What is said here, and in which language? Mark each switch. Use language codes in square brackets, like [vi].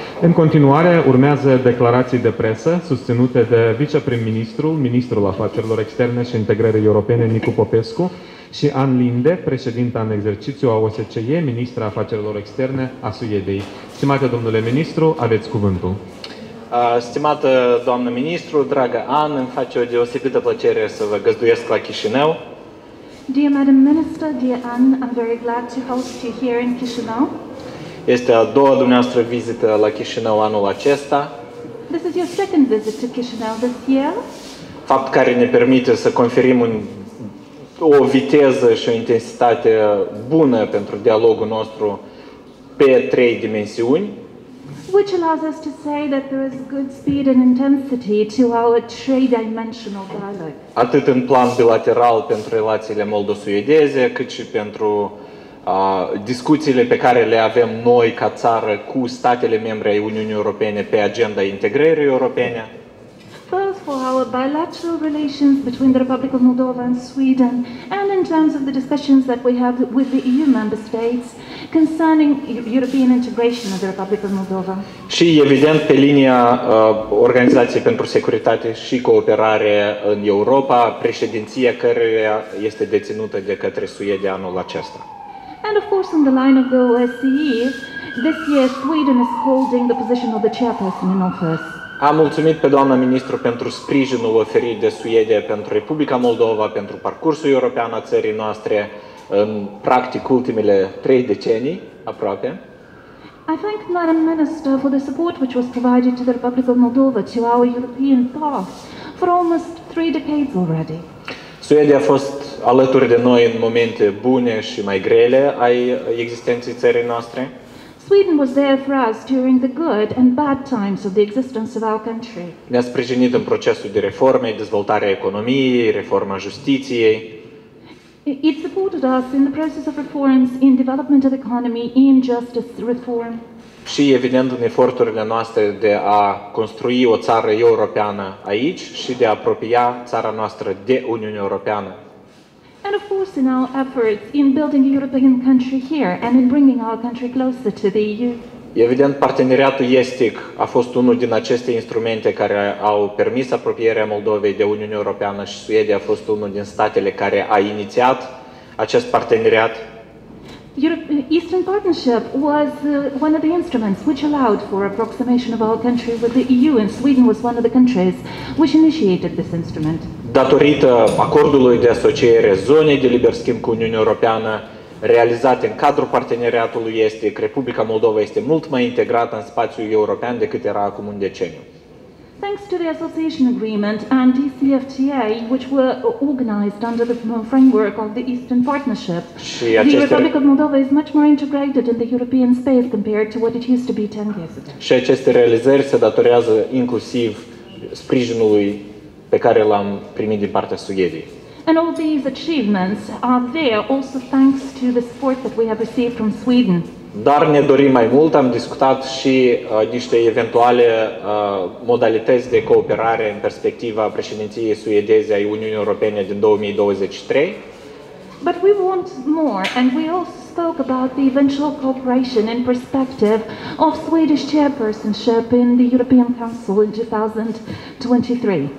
[ro] În continuare, urmează declarații de presă susținute de viceprim-ministrul, ministrul Afacerilor Externe și Integrării Europene, Nicu Popescu, și Ann Linde, președinta în exercițiu a OSCE, ministra Afacerilor Externe a Suediei. Stimate domnule ministru, aveți cuvântul. Stimată doamnă ministru, dragă Ann, îmi face o deosebită plăcere să vă găzduiesc la Chișinău. [en] Dear Madam Minister, dear Ann, I'm very glad to host you here in Chișinău. [ro] Este a doua dumneavoastră vizită la Chișinău anul acesta. [en] This is your second visit to Chișinău this year. [ro] Fapt care ne permite să conferim o viteză și o intensitate bună pentru dialogul nostru pe trei dimensiuni. [en] Which allows us to say that there is good speed and intensity to our three-dimensional dialogue. [ro] Atât în plan bilateral pentru relațiile moldo-suedeze, cât și pentru discuțiile pe care le avem noi ca țară cu statele membre ai Uniunii Europene pe agenda integrării europene. [en] Both for our bilateral relations between the Republic of Moldova and Sweden and in terms of the discussions that we have with the EU member states concerning European integration of the Republic of Moldova. [ro] Și evident pe linia Organizației pentru Securitate și Cooperare în Europa, președinția care este deținută de către Suedia anul acesta. [en] And of course on the line of the OSCE, this year Sweden is holding the position of the chairperson in office. [ro] Am mulțumit pe doamna ministru pentru sprijinul oferit de Suedia pentru Republica Moldova, pentru parcursul european a țării noastre în practic ultimele trei decenii aproape. [en] I thank Madam Minister for the support which was provided to the Republic of Moldova to our European path for almost three decades already. [ro] Suedia a fost alături de noi în momente bune și mai grele ai existenței țării noastre. [en] Sweden was there for us during the good and bad times of the existence of our country. [ro] Ne-a sprijinit în procesul de reforme, dezvoltarea economiei, reforma justiției. [en] It supported us in the process of reforms in development of economy, in justice reform. [ro] Și evident în eforturile noastre de a construi o țară europeană aici și de a apropia țara noastră de Uniunea Europeană. [en] And of course in our efforts in building a European country here and in bringing our country closer to the EU. [ro] Evident, parteneriatul estic a fost unul din aceste instrumente care au permis apropierea Moldovei de Uniunea Europeană și Suedia a fost unul din statele care a inițiat acest parteneriat. [en] Eastern Partnership was one of the instruments which allowed for approximation of our country with the EU, and Sweden was one of the countries which initiated this instrument. [ro] Datorită acordului de asociere zonei de liber schimb cu Uniunea Europeană, realizat în cadrul parteneriatului estic, Republica Moldova este mult mai integrată în spațiul european decât era acum un deceniu. [en] Thanks to the association agreement and DCFTA, which were organized under the framework of the Eastern Partnership, the Republic of Moldova is much more integrated in the European space compared to what it used to be 10 years ago. [ro] Și aceste realizări se datorează inclusiv sprijinului pe care l-am primit din partea Suediei. [en] And all these achievements are there also thanks to the support that we have received from Sweden. [ro] Dar ne dorim mai mult, am discutat și niște eventuale modalități de cooperare în perspectiva președinției suedeze a Uniunii Europene din 2023. [en] But we want more and we also spoke about the eventual cooperation in perspective of Swedish chairpersonship in the European Council in 2023.